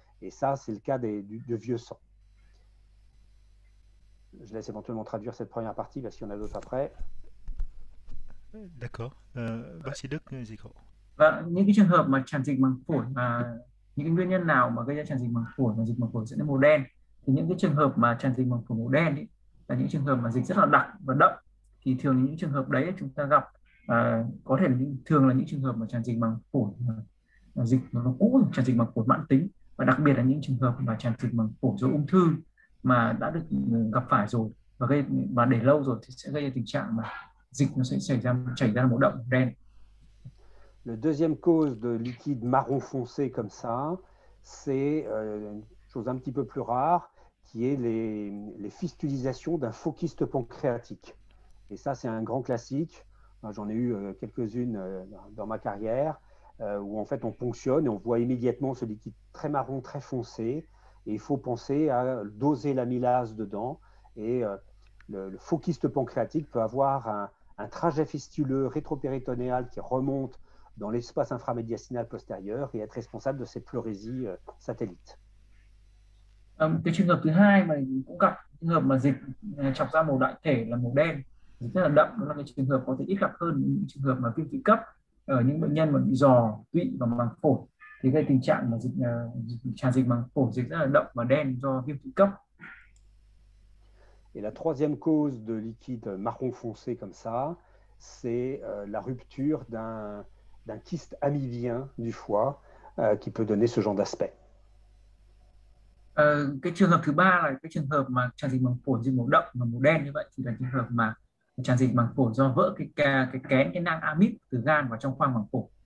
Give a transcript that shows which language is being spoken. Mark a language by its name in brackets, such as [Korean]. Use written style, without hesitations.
[French] Et ça, c'est le cas de vieux sang. Je laisse éventuellement traduire cette première partie, parce qu'il y en a d'autres après. D'accord. Merci Doc, nous écoutons. [Vietnamese] Và những cái trường hợp mà tràn dịch màng phổi, mà những cái nguyên nhân nào mà gây ra tràn dịch màng phổi, mà dịch màng phổi sẽ màu đen, thì những cái trường hợp mà tràn dịch màng phổi màu đen ấy, là những trường hợp mà dịch rất là đặc và đậm. Thì thường những trường hợp đấy chúng ta gặp Có thể thường là những trường hợp mà tràn dịch màng phổi dịch nó cũ, tràn dịch màng phổi mãn tính, và đặc biệt là những trường hợp mà tràn dịch màng phổi do ung thư mà đã được gặp phải rồi và gây và để lâu rồi thì sẽ gây ra tình trạng mà dịch nó sẽ chảy ra một động đen. [French] La deuxième cause de liquide marron foncé comme ça, c'est une chose un petit peu plus rare, qui est les fistulisations d'un faux kyste pancréatique. Et ça, c'est un grand classique. J'en ai eu quelques-unes dans ma carrière, où en fait on ponctionne et on voit immédiatement ce liquide très marron, très foncé. Et il faut penser à doser l'amylase dedans. Et le faux kyste pancréatique peut avoir un trajet fistuleux rétropéritonéal qui remonte dans l'espace inframédiastinal postérieur et être responsable de cette pleurésie satellite. [Vietnamese] Cái trường hợp thứ hai mà cũng gặp, trường hợp mà dịch trào ra màu đại thể là màu đen, dịch rất là đậm, đó là cái trường hợp có thể ít gặp hơn những trường hợp mà viêm tụy cấp ở những bệnh nhân mà bị giò tụy vào màng phổi, thì gây tình trạng mà dịch tràn dịch màng phổi dịch rất là đậm và đen do viêm tụy cấp. [French] Et la troisième cause de liquide marron foncé comme ça, c'est la rupture d'un kyste amibien du foie qui peut donner ce genre d'aspect. [Vietnamese] Cái trường hợp thứ ba là cái trường hợp mà tràn dịch màng phổi dịch màu đậm và màu đen như vậy, thì là trường hợp mà tràn dịch màng phổi do vỡ cái nang amip từ gan vào trong khoang màng phổi.